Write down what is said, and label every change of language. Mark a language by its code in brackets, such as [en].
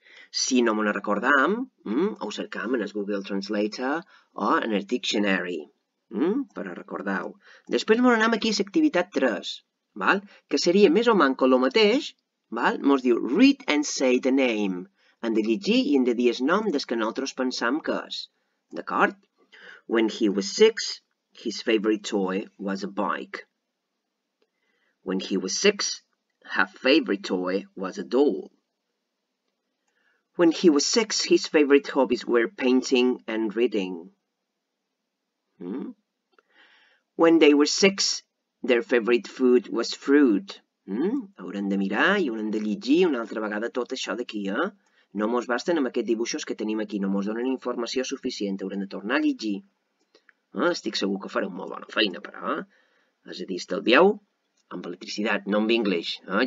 [ca] Si no me'n recordam, ho cercam en el Google Translator o en el Dictionary. Però recordeu. Després mos anem aquí a l'activitat 3, val? Que seria més o manco el mateix, val? Mos diu [en] read and say the name. [ca] Hem de llegir i hem de dir el nom des que nosaltres pensam que és. D'acord? [en] When he was six, his favorite toy was a bike. When he was six, her favorite toy was a doll. When he was six, his favorite hobbies were painting and reading. When they were six, their favorite food was fruit. [ca] Haurem de mirar i haurem de llegir una altra vegada tot això d'aquí, eh? No mos basten amb aquests dibuixos que tenim aquí, no mos donen informació suficient, haurem de tornar a llegir. Estic segur que fareu molt bona feina, però, eh? És a dir, estalvieu amb electricitat, no amb English, eh?